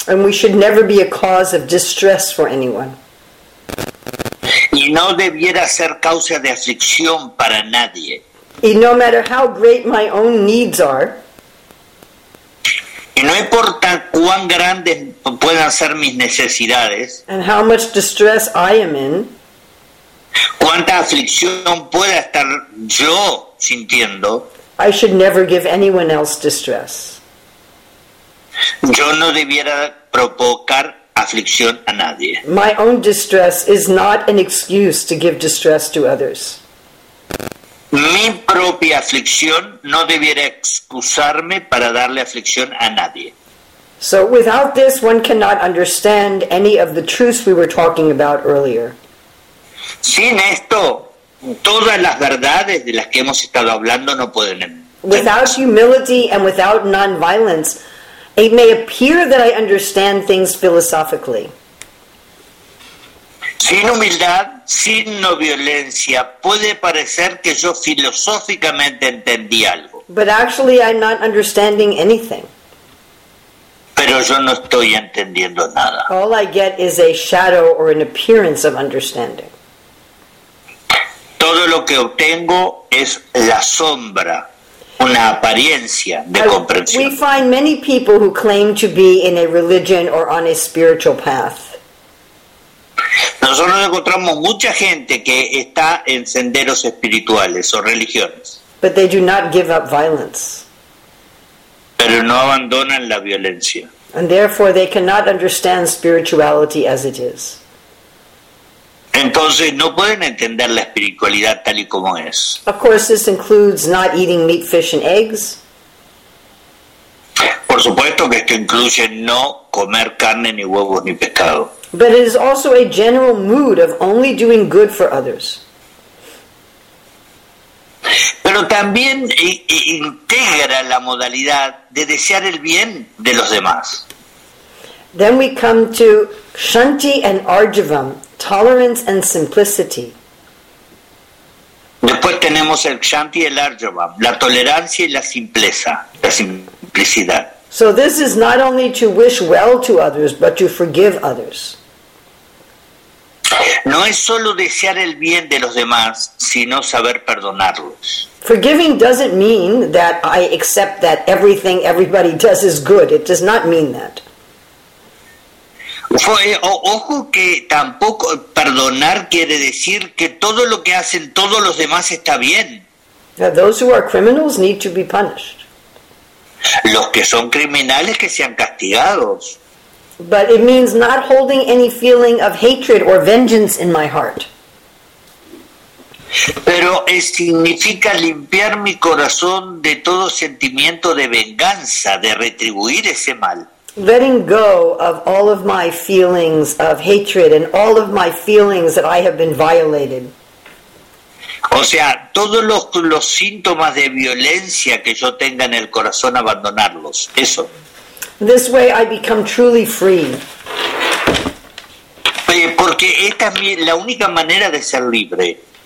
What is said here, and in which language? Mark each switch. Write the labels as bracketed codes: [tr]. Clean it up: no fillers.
[en] And we should never be a cause of distress for anyone. [es] Y no debiera ser causa de aflicción para nadie. [en] Y no matter how great my own needs are, [es] y no importa cuán grandes puedan ser mis necesidades, [en] and how much distress I am in, [es] cuánta aflicción pueda estar yo sintiendo, [en] I should never give anyone else distress. [es] Yo no debiera provocar aflicción a nadie. [en] My own distress is not an excuse to give distress to others. [es] Mi propia aflicción no debiera excusarme para darle aflicción a nadie. [en] So without this, one cannot understand any of the truths we were talking about earlier. [es] Sin esto, todas las verdades de las que hemos estado hablando no pueden. [en] Without humility and without non-violence, it may appear that I understand things philosophically. [es] Sin humildad, sin no violencia, puede parecer que yo filosóficamente entendí algo. [en] But actually I'm not understanding anything. [es] Pero yo no estoy entendiendo nada. [en] All I get is a shadow or an appearance of understanding. [es] Todo lo que obtengo es la sombra, una apariencia de comprensión. [en] We find many people who claim to be in a religion or on a spiritual path. [es] Nosotros encontramos mucha gente que está en senderos espirituales o religiones. [en] But they do not give up violence. [es] Pero no abandonan la violencia. [en] And therefore they cannot understand spirituality as it is. [es] Entonces no pueden entender la espiritualidad tal y como es. [en] Of course this includes not eating meat, fish and eggs. [es] Por supuesto que esto incluye no comer carne, ni huevos, ni pescado. [en] But it is also a general mood of only doing good for others. [es] Pero también integra la modalidad de desear el bien de los demás. [en] Then we come to Kshanti and Arjavam, tolerance and simplicity. [es] Después tenemos el Kshanti y el Arjavam, la tolerancia y la simpleza, la simplicidad. [en] So this is not only to wish well to others, but to forgive others. [es] No es solo desear el bien de los demás, sino saber perdonarlos. [en] Forgiving doesn't mean that I accept that everything everybody does is good. It does not mean that. [es] Ojo que tampoco perdonar quiere decir que todo lo que hacen todos los demás está bien. [en] Now, those who are criminals need to be punished. [es] Los que son criminales que sean castigados. [en] But it means not holding any feeling of hatred or vengeance in my heart. [es] pero significa limpiar mi corazón de todo sentimiento de venganza, de retribuir ese mal. [en] Letting go of all of my feelings of hatred and all of my feelings that I have been violated. [es] O sea, todos los síntomas de violencia que yo tenga en el corazón, abandonarlos. Eso. [en] This way I become truly free. [es] Porque esta es la única manera de ser libre.